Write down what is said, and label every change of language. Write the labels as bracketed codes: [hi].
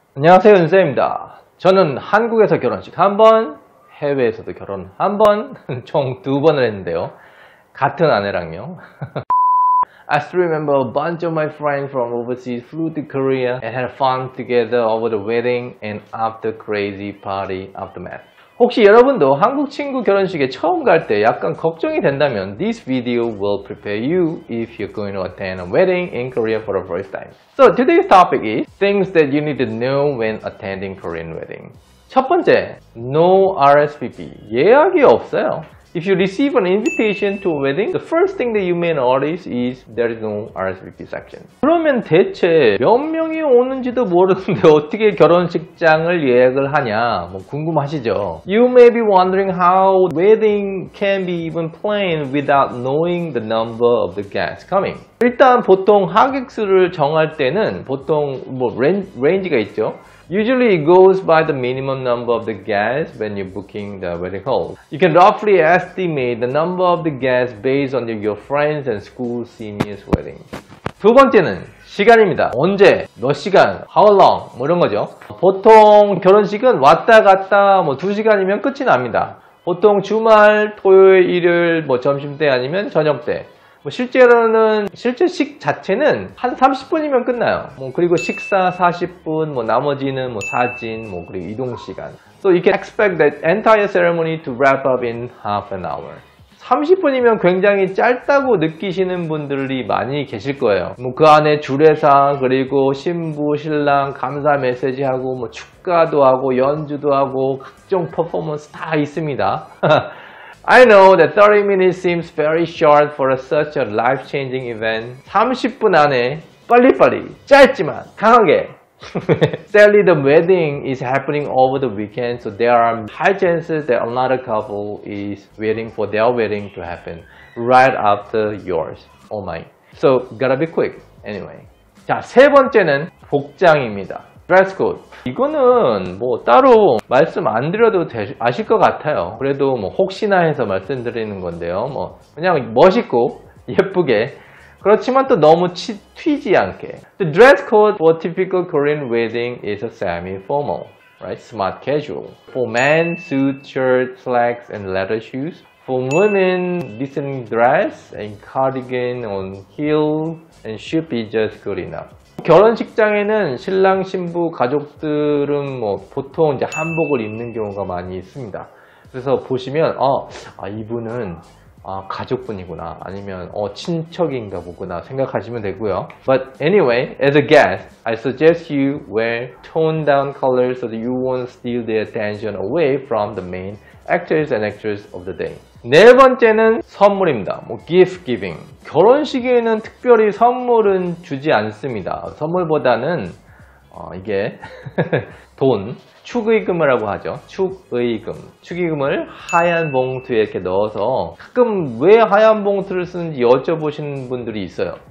[ko] 안녕하세요, 윤쌤입니다. 저는 한국에서 결혼식 한 번, 해외에서도 결혼 한 번, 총 두 번을 했는데요. 같은 아내랑요. [en] I still remember a bunch of my friends from overseas flew to Korea and had fun together over the wedding and after crazy party aftermath. [ko] 혹시 여러분도 한국 친구 결혼식에 처음 갈 때 약간 걱정이 된다면 [en] This video will prepare you if you're going to attend a wedding in Korea for the first time. So today's topic is Things that you need to know when attending Korean wedding. [ko] 첫 번째, No RSVP. 예약이 없어요. [en] If you receive an invitation to a wedding, the first thing that you may notice is there is no RSVP section. [ko] 그러면 대체 몇 명이 오는지도 모르는데 어떻게 결혼식장을 예약을 하냐? 뭐 궁금하시죠? [en] You may be wondering how wedding can be even planned without knowing the number of the guests coming. [ko] 일단 보통 하객 수를 정할 때는 보통 뭐 range가 있죠. [en] Usually it goes by the minimum number of the guests when you're booking the wedding hall. You can roughly estimate the number of the guests based on your friends and school seniors wedding. [ko] 두 번째는 시간입니다. 언제, 몇 시간, [en] how long, [ko] 뭐 이런 거죠. 보통 결혼식은 왔다 갔다 뭐 두 시간이면 끝이 납니다. 보통 주말, 토요일, 일요일, 뭐 점심때 아니면 저녁때. 뭐 실제로는 실제 식 자체는 한 30분이면 끝나요. 뭐 그리고 식사 40분, 뭐 나머지는 뭐 사진, 뭐 그리고 이동 시간. [en] So you can expect that entire ceremony to wrap up in half an hour. [ko] 30분이면 굉장히 짧다고 느끼시는 분들이 많이 계실 거예요. 뭐 그 안에 주례사, 그리고 신부, 신랑 감사 메시지 하고 뭐 축가도 하고 연주도 하고 각종 퍼포먼스 다 있습니다. [en] I know that 30 minutes seems very short for such a life-changing event. [ko] 30분 안에 빨리빨리, 짧지만 강하게. [en] Sadly, the wedding is happening over the weekend, so there are high chances that another couple is waiting for their wedding to happen right after yours or mine. So, gotta be quick. Anyway. [ko] 자, 세 번째는 복장입니다. [en] Dress code. [ko] 이거는 뭐 따로 말씀 안 드려도 아실 것 같아요. 그래도 뭐 혹시나 해서 말씀드리는 건데요. 뭐 그냥 멋있고 예쁘게 그렇지만 또 너무 튀지 않게. [en] The dress code for a typical Korean wedding is a semi-formal, right? Smart casual. For men, suit, shirt, slacks, and leather shoes. For women, decent dress and cardigan on heel and should be just good enough. [ko] 결혼식장에는 신랑 신부 가족들은 뭐 보통 이제 한복을 입는 경우가 많이 있습니다. 그래서 보시면 이분은 가족분이구나 아니면 친척인가 보구나 생각하시면 되고요. [en] But anyway, as a guest, I suggest you wear toned down colors so that you won't steal their attention away from the main actors and actresses of the day. [ko] 네 번째는 선물입니다. 뭐 [en] gift giving. [ko] 결혼식에는 특별히 선물은 주지 않습니다. 선물보다는 이게 돈, 축의금이라고 하죠. 축의금. 축의금을 하얀 봉투에 이렇게 넣어서 가끔 왜 하얀 봉투를 쓰는지 여쭤보시는 분들이 있어요.